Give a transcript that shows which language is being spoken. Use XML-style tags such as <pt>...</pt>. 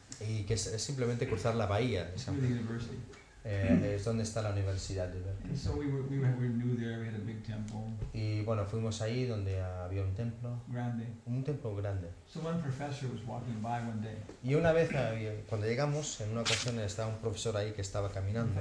<es>Y que es simplemente cruzar la bahía de San Francisco. Es donde está la universidad de Berkeley.</es> <en>So we were new there. We had a big temple.</en> <es>Y bueno, fuimos ahí donde había un templo. Grande. Un templo grande.</es> <en>So one professor was walking by one day.</en> <es>Y una vez, cuando llegamos, en una ocasión estaba un profesor ahí que estaba caminando.</es>